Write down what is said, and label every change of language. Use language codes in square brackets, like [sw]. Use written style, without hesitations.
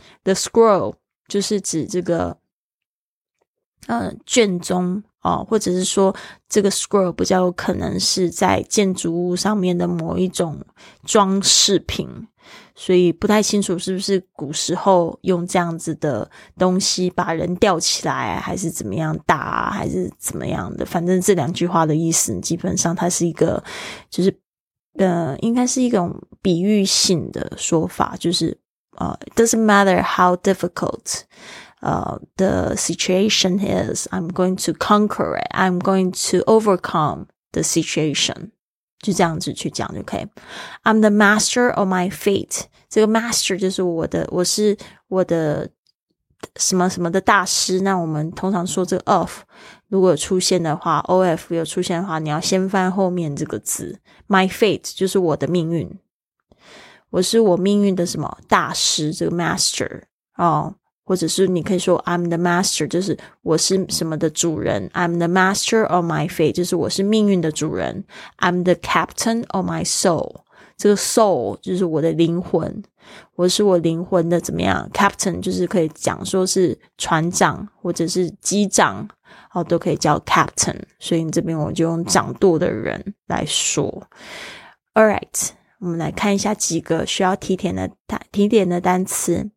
[zh] The scroll 就是指这个卷宗、哦、或者是说这个 scroll 比较有可能是在建筑物上面的某一种装饰品，所以不太清楚是不是古时候用这样子的东西把人吊起来，还是怎么样打、啊、还是怎么样的。反正这两句话的意思基本上它是一个就是应该是一种比喻性的说法，就是 [en] It doesn't matter how difficult the situation is, I'm going to conquer it, I'm going to overcome the situation. [zh] 就这样子去讲就可以。 [en] I'm the master of my fate， [zh] 这个 master 就是我的，我是我的什么什么的大师。那我们通常说这个 of 如果有出现的话， of 有出现的话，你要先翻后面这个字。 my fate 就是我的命运，我是我命运的什么大师，这个 master 哦，或者是你可以说 [en] I'm the master， [zh] 就是我是什么的主人。 [en] I'm the master of my fate， [zh] 就是我是命运的主人。 [en] I'm the captain of my soul， [zh] 这个 soul 就是我的灵魂，我是我灵魂的怎么样 captain， 就是可以讲说是船长或者是机长，都可以叫 captain， 所以这边我就用掌舵的人来说。 Alright， 我们来看一下几个需要提点的单词。